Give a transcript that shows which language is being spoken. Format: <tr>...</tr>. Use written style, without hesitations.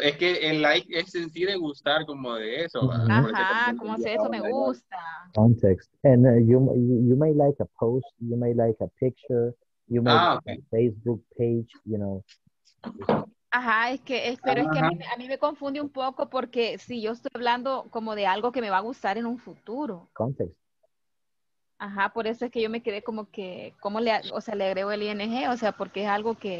<es>Es que el like es sentir de gustar como de eso. Ajá, como si eso me gusta.</es> <en>Context. And you may like a post, you may like a picture. You make a Facebook page, you know.</en> <es>Ajá, es que a mí me confunde un poco porque si sí, yo estoy hablando como de algo que me va a gustar en un futuro.</es> <en>Context.</en> <es>Ajá, por eso es que yo me quedé como que, ¿cómo le agrego el ING? O sea, porque es algo</es>